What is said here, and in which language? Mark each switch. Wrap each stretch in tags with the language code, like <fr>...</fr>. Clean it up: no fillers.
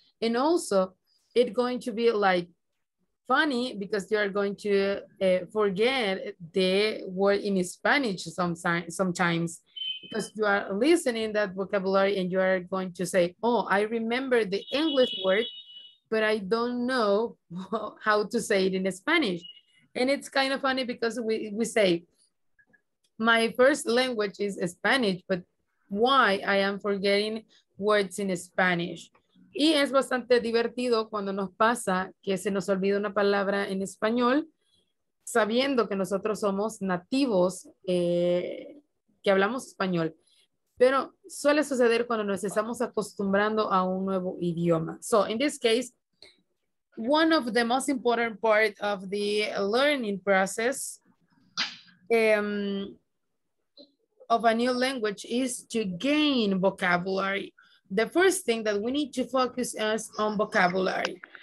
<en>And also it's going to be like funny, because you are going to forget the word in Spanish sometimes, because you are listening that vocabulary and you are going to say, "Oh, I remember the English word, but I don't know how to say it in Spanish." And it's kind of funny, because we say, "My first language is Spanish, but why I am forgetting words in Spanish?"</en> <es>Y es bastante divertido cuando nos pasa que se nos olvida una palabra en español, sabiendo que nosotros somos nativos que hablamos español. Pero suele suceder cuando nos estamos acostumbrando a un nuevo idioma.</es> <en>So in this case, one of the most important part of the learning process of a new language is to gain vocabulary. The first thing that we need to focus is on vocabulary.</en>